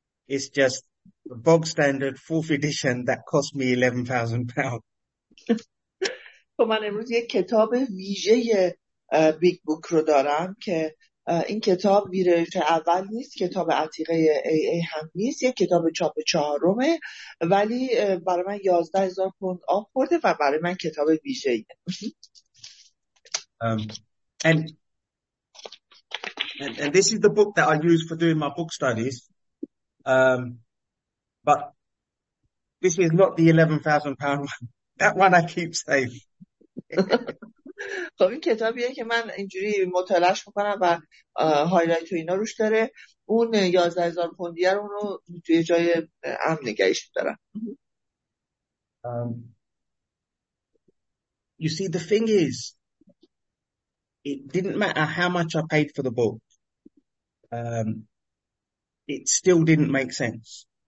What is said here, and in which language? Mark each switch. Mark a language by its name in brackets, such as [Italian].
[English] It's just a bog standard fourth edition that cost me £11,000. [Persian] خب من امروز یک کتاب ویژه بیگ بوک رو دارم که این کتاب ویرایش اول نیست، کتاب عتیقه ای ای هم نیست، یک کتاب چاپ چهارمه، ولی برای من 11,000 پوند آف برده و برای من کتاب ویژه ایه. [English] And this is the book that I use for doing my book studies. But this is not the £11,000 one. That one I keep safe. [Persian] خب این کتابیه که من اینجوری مطالعش میکنم و هایلایت و اینا روش داره. اون 11,000 پوندیه رو اونو توی جای امن نگهش دارم. [English] You see, the thing is, it didn't matter how much I paid for the book. It still didn't make sense.